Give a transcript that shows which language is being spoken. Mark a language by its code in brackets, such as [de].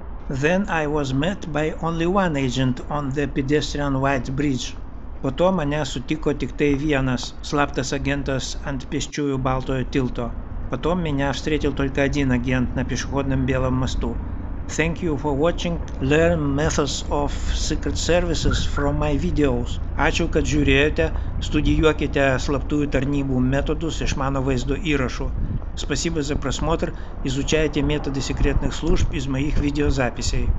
[en] Then I was met by only one agent on the pedestrian wide bridge. [lt] Po to mane sutiko tik tai vienas slaptas agentas ant pėsčiųjų baltojo tilto. [ru] Потом меня встретил только один агент на пешеходном белом мосту. [en] Thank you for watching. Learn methods of secret services from my videos. [lt] Ačiū, kad žiūrėjote. Studijuokite slaptųjų tarnybų metodus iš mano vaizdo įrašų. [ru] Спасибо за просмотр. Изучайте методы секретных служб из моих видеозаписей.